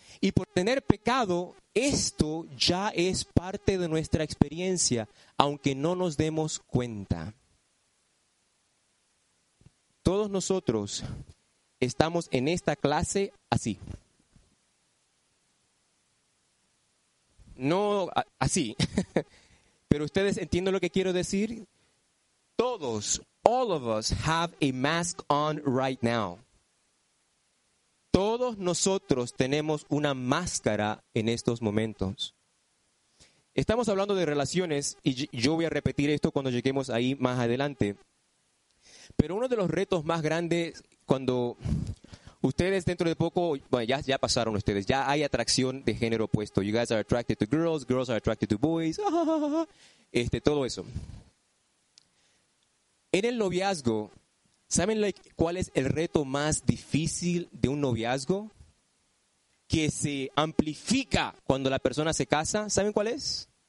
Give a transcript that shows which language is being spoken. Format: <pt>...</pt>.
<es>Y por tener pecado, esto ya es parte de nuestra experiencia, aunque no nos demos cuenta. Todos nosotros estamos en esta clase así. No así, pero ustedes entienden lo que quiero decir.</es> <en>Todos, all of us have a mask on right now.</en> <es>Todos nosotros tenemos una máscara en estos momentos. Estamos hablando de relaciones y yo voy a repetir esto cuando lleguemos ahí más adelante. Pero uno de los retos más grandes cuando ustedes dentro de poco, bueno, ya pasaron ustedes, ya hay atracción de género opuesto.</es> <en>You guys are attracted to girls, girls are attracted to boys,</en> <es>todo eso. En el noviazgo, ¿saben cuál es el reto más difícil de un noviazgo? Que se amplifica cuando la persona se casa. ¿Saben cuál es?</es>